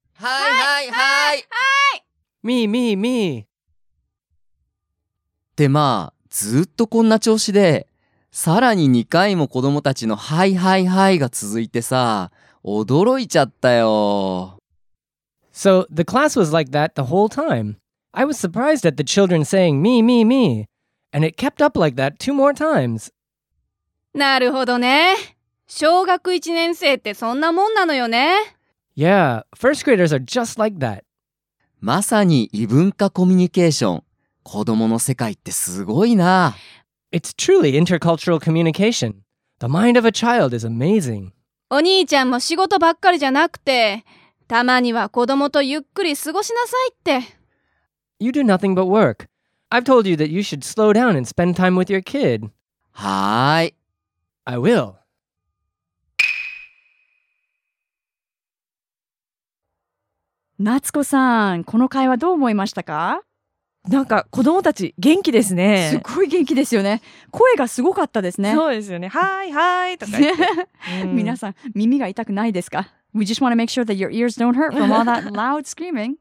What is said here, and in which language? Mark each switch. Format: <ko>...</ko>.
<ja>はいはいはい、はい、</ja> <en>Me, me, me!</en> <ja>で、まあずっとこんな調子でさらに2回も子供たちのはいはいはいが続いてさ、驚いちゃったよ。</ja> <en>So the class was like that the whole time. I was surprised at the children saying me, me, me. And it kept up like that two more times.</en> <ja>なるほどね。小学1年生ってそんなもんなのよね。</ja> <en>Yeah, first graders are just like that.</en> <ja>まさに異文化コミュニケーション、子供の世界ってすごいな。</ja> <en>It's truly intercultural communication. The mind of a child is amazing.</en> <ja>お兄ちゃんも仕事ばっかりじゃなくて、たまには子供とゆっくり過ごしなさいって。</ja> <en>You do nothing but work. I've told you that you should slow down and spend time with your kid.</en> <ja>はい。</ja> <en>I will.</en> <ja>なつこさん、この会話どう思いましたか？なんか子供たち元気ですね。すごい元気ですよね。声がすごかったですね。そうですよね。はいはいとか言って、皆さん耳が痛くないですか？</ja> <en>We just want to make sure that your ears don't hurt from all that loud screaming.</en>